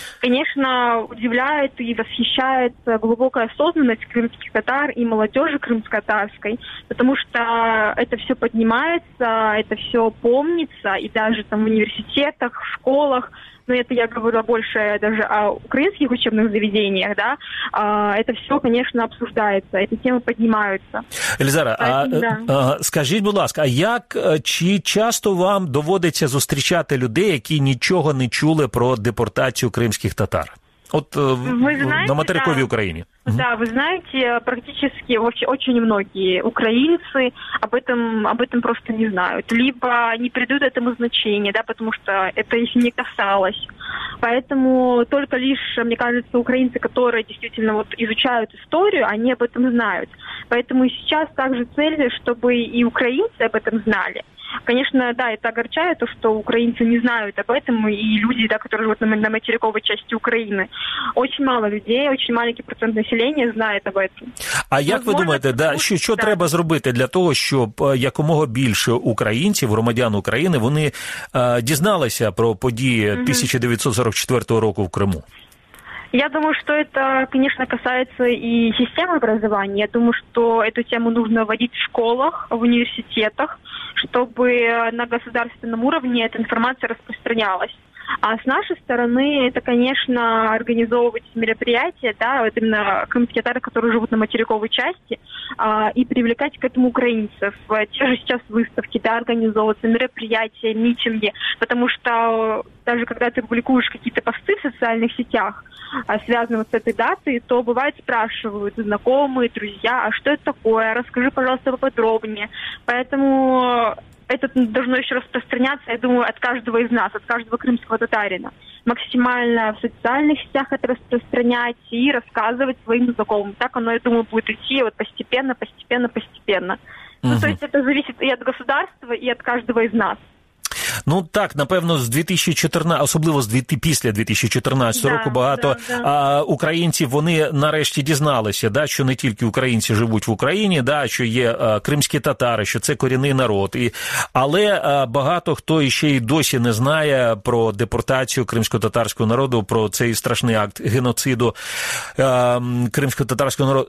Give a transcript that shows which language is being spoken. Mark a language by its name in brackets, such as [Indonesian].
[Russian] Конечно, удивляет и восхищает глубокая осознанность крымских татар и молодежи крымско-татарской, потому что это все поднимается, это все помнится, и даже там в университетах, в школах, но это я говорю больше даже о украинских учебных заведениях, да, это все, конечно, обсуждается, эти темы поднимаются. [Ukrainian] Елизара, скажіть, будь ласка, а як, чи часто вам доводиться зустрічати людей, які нічого не чули про депортацію кримських татар? От ви знаєте, на материковій да. Україні. Да, ви знаєте, [Russian] практично очень многие українці об этом просто не знають. Либо не придають этому значення, да, потому что это их не касалось. Поэтому только лишь, мне кажется, украинцы, которые действительно вот изучают историю, они об этом знают. Поэтому сейчас также цель, чтобы и украинцы об этом знали. Конечно, да, это огорчает то, что украинцы не знают об этом, и люди, да, которые живут на материковой части Украины. Очень мало людей, очень маленький процент населения знает об этом. А как вы думаете, [Ukrainian] да, что треба зробити для того, щоб якомога більше українців, громадян України, вони дізналися про події 1944 року в Криму? [Russian] Я думаю, что это, конечно, касается и системы образования. Я думаю, что эту тему нужно вводить в школах, в университетах, чтобы на государственном уровне эта информация распространялась. А с нашей стороны это, конечно, организовывать мероприятия, да, вот именно крымские татары, которые живут на материковой части, и привлекать к этому украинцев. Те же сейчас выставки, да, организовываются, мероприятия, митинги, потому что даже когда ты публикуешь какие-то посты в социальных сетях, связанного с этой датой, то бывает спрашивают знакомые, друзья, а что это такое, расскажи, пожалуйста, поподробнее. Поэтому это должно еще распространяться, я думаю, от каждого из нас, от каждого крымского татарина. Максимально в социальных сетях это распространять и рассказывать своим знакомым. Так оно, я думаю, будет идти вот постепенно, постепенно, постепенно. Угу. Ну, то есть это зависит и от государства, и от каждого из нас. [Ukrainian] Ну так, напевно, з 2014, особливо з після 2014 року багато українців, вони нарешті дізналися, да, що не тільки українці живуть в Україні, да, що є кримські татари, що це корінний народ. Але багато хто ще й досі не знає про депортацію кримсько-татарського народу, про цей страшний акт геноциду кримсько-татарського народу.